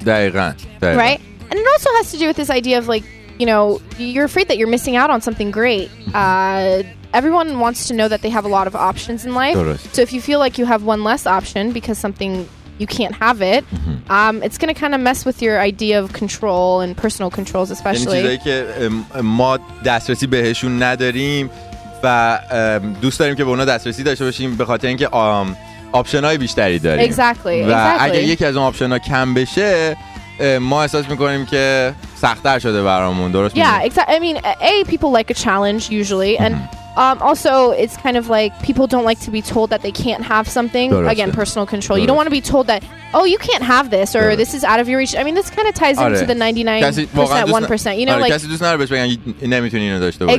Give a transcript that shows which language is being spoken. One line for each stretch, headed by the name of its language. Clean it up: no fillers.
English: Right? And it also has to do with this idea of, like, you know, you're afraid that you're missing out on something great. Everyone wants to know that they have a lot of options in life. So if you feel like you have one less option because something, you can't have it, it's going to kind of mess with your idea of control and personal controls, especially.
Persian: یعنی چیزایی که ما دسترسی بهشون نداریم و دوست داریم که به اونا دسترسی داشته باشیم به خاطر اینکه آپشن‌های بیشتری داریم.
English: Exactly.
Persian: و اگر یکی از اون آپشن‌ها کم بشه ما احساس میکنیم که سخت‌تر شده برامون. درست میگی.
English: Yeah, exactly. I mean, people like a challenge usually and also, it's kind of like people don't like to be told that they can't have something.
Persian: درسته.
English: Again, personal control.
Persian: درسته.
English: You don't want to be told that, oh, you can't have this or this is out of your reach. I mean, this kind of ties into the 99%, 1%. You know, like, you
Persian: نمیتونی اینو داشته باشی.